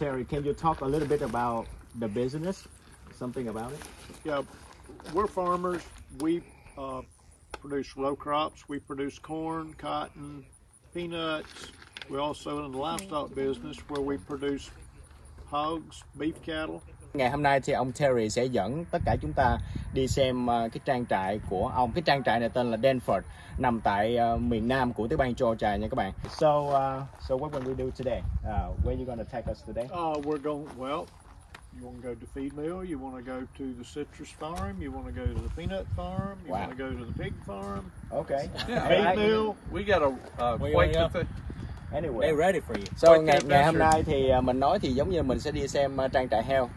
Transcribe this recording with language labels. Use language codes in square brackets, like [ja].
[en] Terry, can you talk a little bit about the business? Something about it? Yeah. We're farmers. We produce row crops. We produce corn, cotton, peanuts. We're also in the livestock business where we produce hogs, beef cattle. [vi] Ngày hôm nay thì ông Terry sẽ dẫn tất cả chúng ta đi xem cái trang trại của ông. Cái trang trại này tên là Danforth, nằm tại miền nam của tiểu bang Georgia nha các bạn. [en] So so what will we do today? Where you gonna take us today? We're going, well, you wanna go to feed mill, you wanna go to the citrus farm, you wanna go to the peanut farm, you wanna go to the pig farm. Okay. Yeah. Feed right. mill. We got a quake up. Anyway, they're ready for you. [vi] So ngày hôm nay thì mình nói thì giống như mình sẽ đi xem trang trại heo.